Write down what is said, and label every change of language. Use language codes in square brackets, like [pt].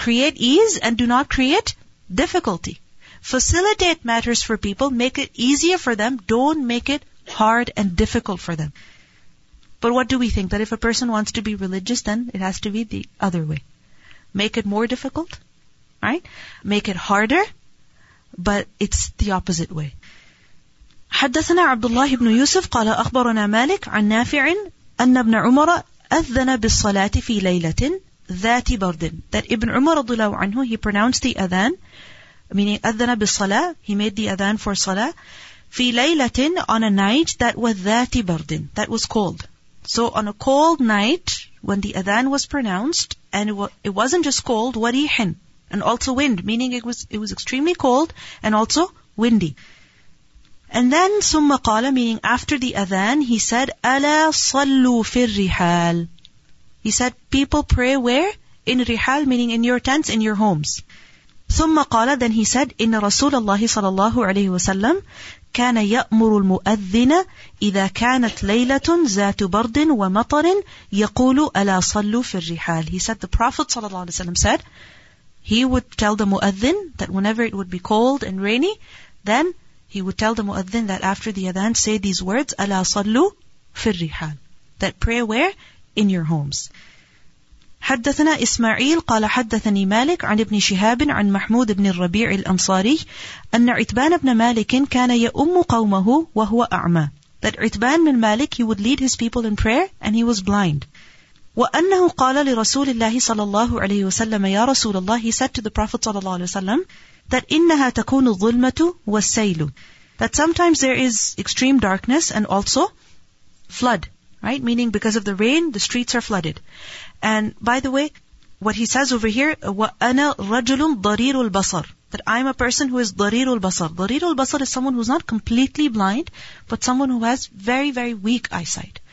[en] Create ease and do not create difficulty. Facilitate matters for people, make it easier for them, don't make it hard and difficult for them. But what do we think? That if a person wants to be religious, then it has to be the other way. Make it more difficult, right? Make it harder, but it's the opposite way. [ar] حدثنا عبد الله بن يوسف قال أخبرنا مالك عن نافع أن ابن عمر أذن بالصلاة في ليلة ذات برد. [en] That Ibn Umar رضي الله عنه, he pronounced the adhan, meaning [ar] أذن بالصلاة, [en] he made the adhan for صلاة, [ar] في ليلة, [en] on a night that was [ar] ذات برد, [en] that was cold. So on a cold night, when the adhan was pronounced, and it wasn't just cold, وريحن, and also wind, meaning it was extremely cold and also windy. And then [ar] ثم قال, [en] meaning after the adhan, he said, [ar] ألا صلوا في الرحال. [en] He said, people pray where? In rihal, meaning in your tents, in your homes. [ar] ثم قال, [en] then he said, [ar] إن رسول الله صلى الله عليه وسلم كان يأمر المؤذن إذا كانت ليلة ذات برد ومطر يقول ألا صلوا في الرحال. [en] He said, the Prophet صلى الله عليه وسلم said, he would tell the مؤذن that whenever it would be cold and rainy, then he would tell the مؤذن that after the adhan, say these words, [ar] ألا صلوا في الرحال. [en] That pray where? In your homes. [ar] حدثنا إسماعيل قال حدثني مالك عن ابن شهاب عن محمود بن الربيع الأنصاري أن عتبان بن مالك كان يأم قومه وهو أعمى. [en] That عتبان بن مالك, he would lead his people in prayer and he was blind. [ar] وأنه قال لرسول الله صلى الله عليه وسلم يا رسول الله, [en] he said to the Prophet [ar] صلى الله عليه وسلم, that إنها تكون الظلمة والسيل. [en] That sometimes there is extreme darkness and also flood. Right? Meaning because of the rain, the streets are flooded. And by the way, what he says over here, [ar] وَأَنَا رَجُلٌ ضَرِيرُ الْبَصَرِ. [en] That I'm a person who is ضَرِيرُ الْبَصَرِ. ضَرِيرُ الْبَصَرِ is someone who's not completely blind, but someone who has very, very weak eyesight.